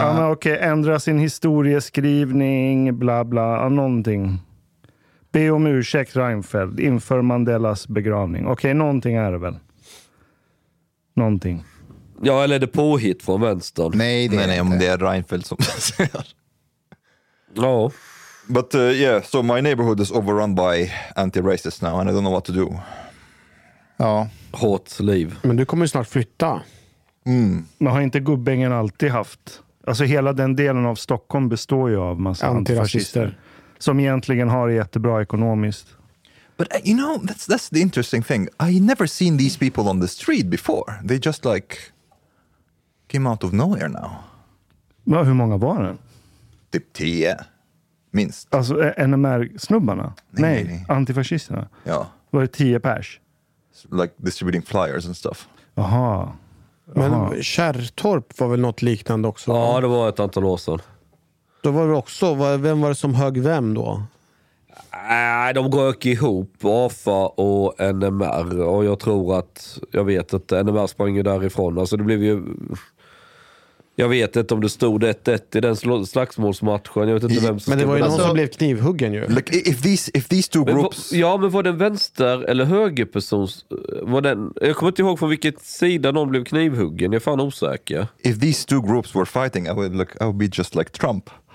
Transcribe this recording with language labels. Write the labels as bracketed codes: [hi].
[sv] Ja, okej, ändra sin historieskrivning, bla bla, någonting. Be om ursäkt, Reinfeldt. Inför Mandelas begravning. Okej, någonting är det väl. Någonting. Ja, eller är det påhitt från vänstern? Nej, det är nej, inte. Om det är Reinfeldt som säger. Ja. No. [en] But yeah, so my neighborhood is overrun by anti-racists now and I don't know what to do. [sv] Ja. Hårt liv. Men du kommer ju snart flytta. Men har inte Gubbängen alltid haft... Alltså hela den delen av Stockholm består ju av massa antifascister. Som egentligen har det jättebra ekonomiskt. [en] But you know, that's the interesting thing. I never seen these people on the street before. They just like came out of nowhere now. [sv] Ja, hur många var det? Typ 10, minst. Alltså NMR-snubbarna? Nej, antifascisterna? Ja. Var det 10 pers? [en] Like distributing flyers and stuff. [sv] Aha. Men Kärrtorp var väl något liknande också? Ja, det var ett antal år sedan. Då var det också, vem var det som hög vem då? De rök ihop, AFA och NMR. Och jag tror att, jag vet att NMR sprang ju därifrån. Alltså det blev ju, jag vet inte om det stod 1-1 i den slagsmålsmatchen. Jag vet inte vem som... Men det var ju någon som blev knivhuggen ju. [en] Like, if these two groups... [sv] Men var det en vänster eller höger person? Jag kommer inte ihåg från vilket sida någon blev knivhuggen. Jag är fan osäker. [en] If these two groups were fighting, I would be just like Trump.